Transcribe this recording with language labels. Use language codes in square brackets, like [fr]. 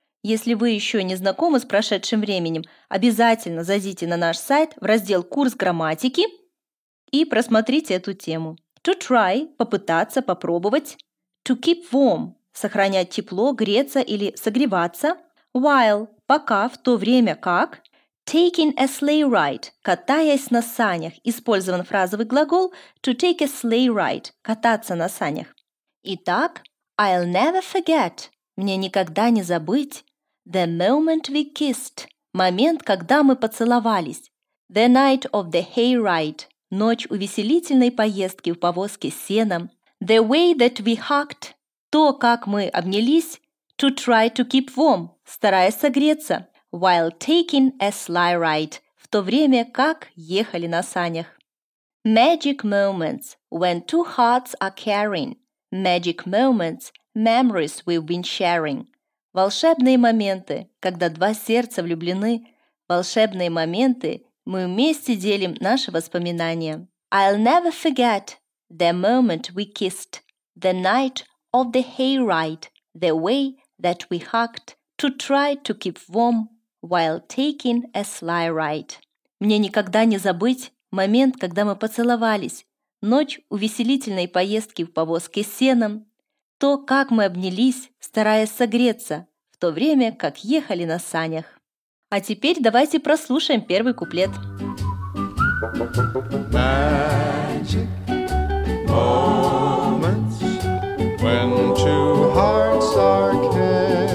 [ru] Если вы еще не знакомы с прошедшим временем, обязательно зайдите на наш сайт в раздел «Курс грамматики» и просмотрите эту тему. [en] To try [ru] – попытаться, попробовать. [en] To keep warm [ru] – сохранять тепло, греться или согреваться. [en] While [ru] – пока, в то время как. [en] Taking a sleigh ride – [ru] катаясь на санях. Использован фразовый глагол [en] to take a sleigh ride [ru] – кататься на санях. Итак, [en] I'll never forget [ru] – мне никогда не забыть. [en] The moment we kissed [ru] – момент, когда мы поцеловались. [en] The night of the hay ride [ru] – ночь увеселительной поездки в повозке с сеном. [en] The way that we hugged – [ru] то, как мы обнялись. [en] To try to keep warm – [ru] стараясь согреться. [en] While taking a sleigh ride, [ru] в то время как ехали на санях. [en] Magic moments, when two hearts are caring. Magic moments, memories we've been sharing. [ru] Волшебные моменты, когда два сердца влюблены. Волшебные моменты, мы вместе делим наши воспоминания. [en] I'll never forget the moment we kissed. The night of the hay ride. The way that we hugged to try to keep warm. While taking a sleigh ride. [ru] Мне никогда не забыть момент, когда мы поцеловались, ночь увеселительной поездки в повозке с сеном, то, как мы обнялись, стараясь согреться, в то время, как ехали на санях. А теперь давайте прослушаем первый куплет. [en] Magic moments, when two hearts are caring.